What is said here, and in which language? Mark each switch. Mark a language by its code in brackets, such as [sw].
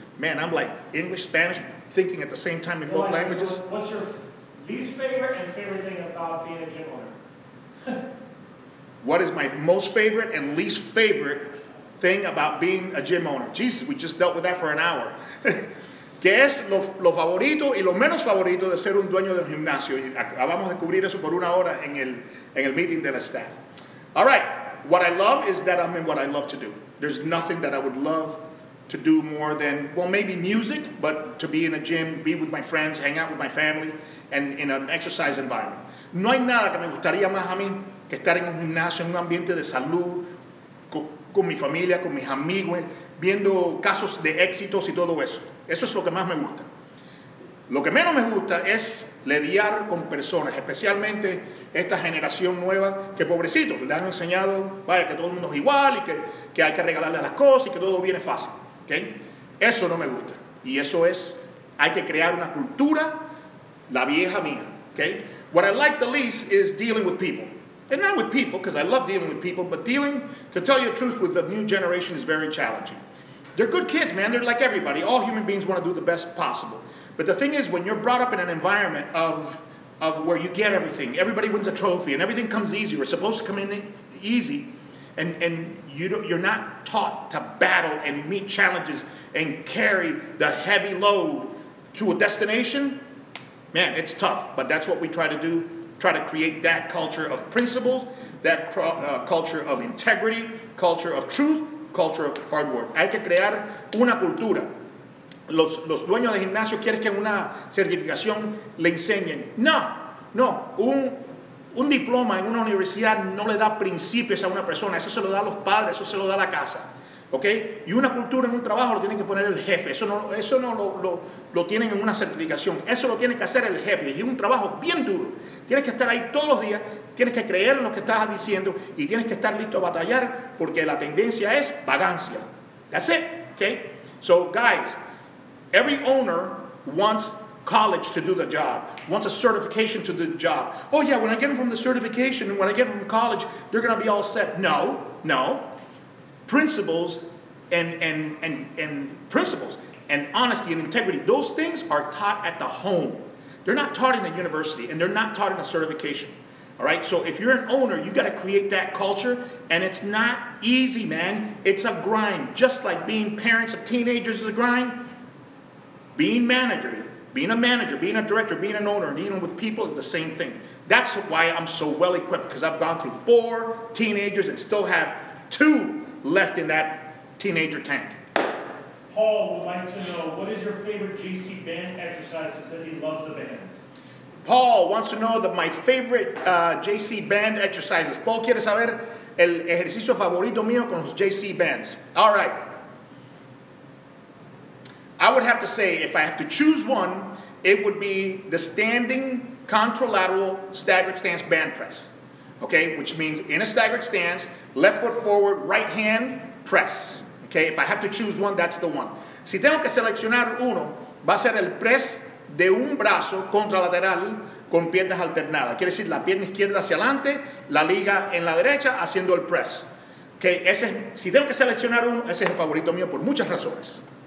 [en] Man, I'm like English, Spanish, thinking at the same time in both languages. So what's your least favorite and favorite thing about being a gym owner? What is my most favorite and least favorite thing about being a gym owner? Jesus, we just dealt with that for an hour. [es] ¿Qué es lo favorito y lo menos favorito de ser un dueño de un gimnasio? Acabamos de cubrir eso por una hora en el meeting de la staff. [en] All right. What I love is that I'm in what I love to do. There's nothing that I would love to do more than, well, maybe music, but to be in a gym, be with my friends, hang out with my family, and in an exercise environment. [es] No hay nada que me gustaría más a mí que estar en un gimnasio, en un ambiente de salud, con mi familia, con mis amigos, viendo casos de éxitos y todo eso. Eso es lo que más me gusta. Lo que menos me gusta es lidiar con personas, especialmente esta generación nueva, que pobrecitos, le han enseñado, vaya, que todo el mundo es igual y que hay que regalarle las cosas y que todo viene fácil, ¿okay? Eso no me gusta. Y eso es, hay que crear una cultura, la vieja mía, ¿okay? [en] What I like the least is dealing with people. And not with people, because I love dealing with people, but dealing, to tell you the truth, with the new generation is very challenging. They're good kids, man. They're like everybody. All human beings want to do the best possible. But the thing is, when you're brought up in an environment of where you get everything, everybody wins a trophy, and everything comes easy, we're supposed to come in easy, and you're not taught to battle and meet challenges and carry the heavy load to a destination, man, it's tough. But that's what we try to do, try to create that culture of principles, that culture of integrity, culture of truth, culture of hard work. [es] Hay que crear una cultura. Los dueños de gimnasio quieren que una certificación le enseñen. No. Un diploma en una universidad no le da principios a una persona. Eso se lo da a los padres, eso se lo da a la casa. ¿Okay? Y una cultura en un trabajo lo tiene que poner el jefe. Eso no lo tienen en una certificación. Eso lo tiene que hacer el jefe. Y es un trabajo bien duro. Tienes que estar ahí todos los días. Tienes que creer en lo que estás diciendo. Y tienes que estar listo a batallar porque la tendencia es vagancia. [en] That's it. ¿Okay? So, guys, every owner wants college to do the job, wants a certification to do the job. Oh yeah, when I get them from the certification and when I get them from college, they're going to be all set. No. Principles and principles and honesty and integrity, those things are taught at the home. They're not taught in a university and they're not taught in a certification. All right, so if you're an owner, you got to create that culture, and it's not easy, man. It's a grind, just like being parents of teenagers is a grind. Being a director, being an owner, dealing with people is the same thing. That's why I'm so well equipped, because I've gone through 4 teenagers and still have 2 left in that teenager tank. Paul would like to know, what is your favorite GC band exercise? He said he loves the bands. Paul wants to know that my favorite JC band exercises. [es] Paul quiere saber el ejercicio favorito mío con los JC bands. [en] All right. I would have to say, if I have to choose one, it would be the standing contralateral staggered stance band press. Okay, which means in a staggered stance, left foot forward, right hand, press. Okay, if I have to choose one, that's the one. [es] Si tengo que seleccionar uno, va a ser el press de un brazo contralateral con piernas alternadas. Quiere decir, la pierna izquierda hacia adelante, la liga en la derecha haciendo el press. Que ese, si tengo que seleccionar uno, ese es el favorito mío por muchas razones.